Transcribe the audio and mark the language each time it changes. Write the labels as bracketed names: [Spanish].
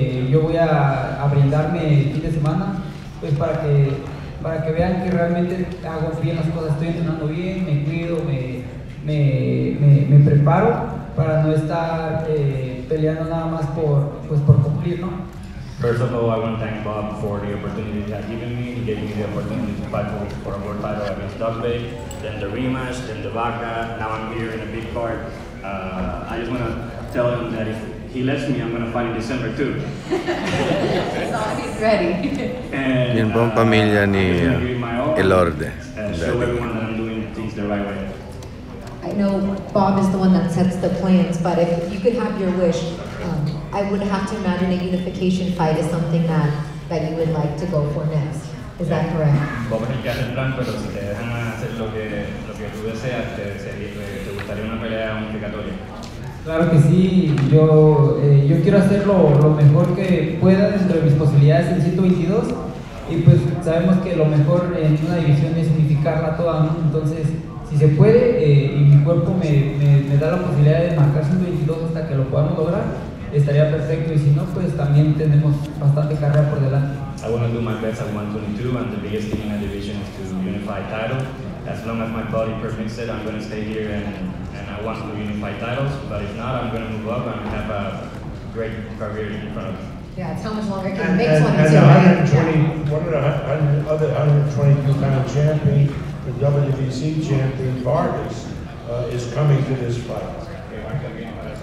[Spanish] Yo voy a brindarme el fin de semana pues para que vean que realmente hago bien las cosas, estoy entrenando bien, me cuido, me preparo para no estar peleando nada más por cumplir, ¿no? [English] First of all, I want to thank Bob for the opportunity he has given me. He gave me the opportunity to fight for a world title against Doug Bay, then the rematch, then the Vaca. Now I'm here in a big card. I just want to tell him that if he lets me, I'm going to fight in December too. As long as he's ready. And I'm going to give my all and show everyone that I'm doing things the right way. I know Bob is the one that sets the plans, but if you could have your wish, I would have to imagine a unification fight is something that you would like to go for next. Is that correct? [Spanish] Bob es el que hace el plan, pero si te dejan hacer lo que tú deseas, te gustaría una pelea unificatoria. Claro que sí. Yo quiero hacer lo mejor que pueda dentro de mis posibilidades en 122. Y pues sabemos que lo mejor en una división es unificarla toda, ¿no? Entonces, si se puede, y mi cuerpo me da la posibilidad de marcar 122 hasta que lo podamos lograr, estaría perfecto, y si no, pues también tenemos bastante carrera por delante. [English] I want to do my best at 122, and the biggest thing in my division is to unify title. As long as my body permits it, I'm going to stay here, and I want to unify titles. But if not, I'm going to move up and have a great career in front of me. Yeah, how much longer can you make 22, and 122 pound champion, the WBC champion, Vargas, is coming to this fight.